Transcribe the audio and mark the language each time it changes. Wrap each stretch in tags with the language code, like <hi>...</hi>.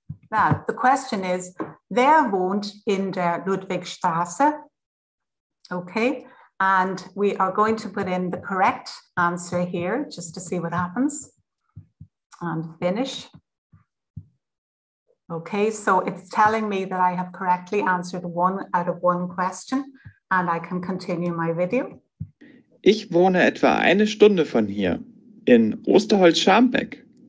<de>Now the question is, wer wohnt in der Ludwigstraße?</de> <en>Okay, and we are going to put in the correct answer here just to see what happens and finish. Okay, so it's telling me that I have correctly answered one out of one question, and I can continue my video.</en> <de>Ich wohne etwa eine Stunde von hier, in Osterholz-Scharmbeck.</de>